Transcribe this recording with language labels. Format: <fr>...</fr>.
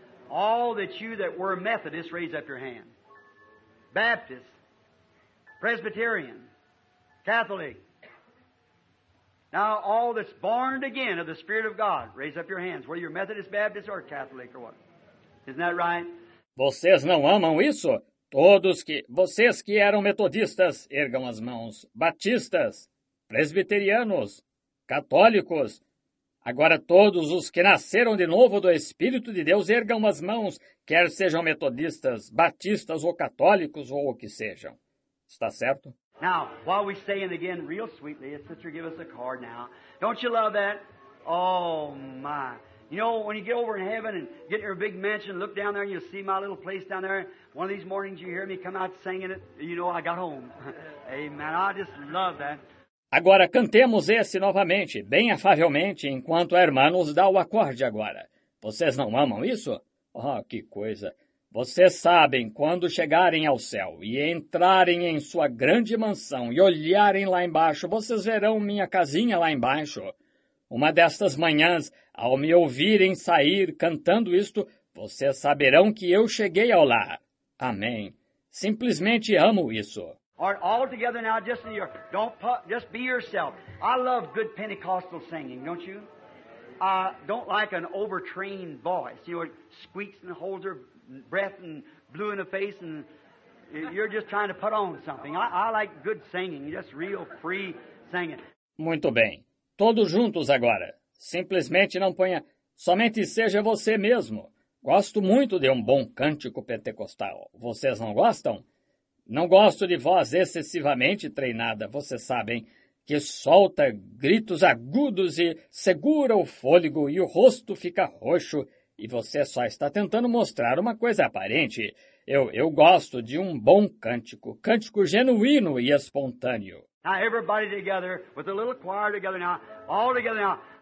<en>All that you that were Methodist, raise up your hand. Baptist, Presbyterian, Catholic. Now, all that's born again of the Spirit of God, raise up your hands, whether you're Methodist, Baptist, or Catholic, or what. Isn't that right?</en> <pt>Vocês não amam isso? Vocês que eram metodistas, ergam as mãos. Batistas, presbiterianos, católicos. Agora, todos os que nasceram de novo do Espírito de Deus, ergam as mãos, quer sejam metodistas, batistas, ou católicos, ou o que sejam. Está certo?</pt> <en>Now, while we're saying again real sweetly, sister, give us a card now. Don't you love that? Oh, my. You know, when you get over in heaven and get in your big mansion, look down there and you'll see my little place down there. One of these mornings you hear me come out singing it, you know I got home. Amen. I just love that.</en> <pt>Agora, cantemos esse novamente, bem afavelmente, enquanto a irmã nos dá o acorde agora. Vocês não amam isso? Oh, que coisa. Vocês sabem, quando chegarem ao céu e entrarem em sua grande mansão e olharem lá embaixo, vocês verão minha casinha lá embaixo. Uma destas manhãs, ao me ouvirem sair cantando isto, vocês saberão que eu cheguei ao lar. Amém. Simplesmente amo isso.</pt> <en>All together now, just in your, just be yourself. I love good Pentecostal singing, don't you? I don't like an overtrained voice. You know, it squeaks and holds her breath and blue in the face, and you're just trying to put on something. I like good singing, just real free singing.</en> <pt>Muito bem. Todos juntos agora. Simplesmente não ponha. Somente seja você mesmo. Gosto muito de um bom cântico pentecostal. Vocês não gostam? Não gosto de voz excessivamente treinada, vocês sabem, que solta gritos agudos e segura o fôlego e o rosto fica roxo. e você só está tentando mostrar uma coisa aparente. Eu gosto de um bom cântico, cântico genuíno e espontâneo.</pt> <en>Now everybody together with a little choir together now, all together now.</en>